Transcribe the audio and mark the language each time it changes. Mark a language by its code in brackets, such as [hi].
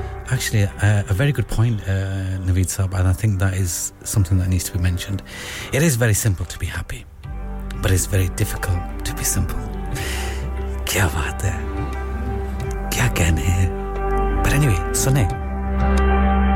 [en] Actually, a very good point, Naveed Saab, and I think that is something that needs to be mentioned. It is very simple to be happy, but it's very difficult to be simple. [ur] کیا بات ہے؟ کیا کہنے ہے؟ [en] But anyway, [ur] سننے۔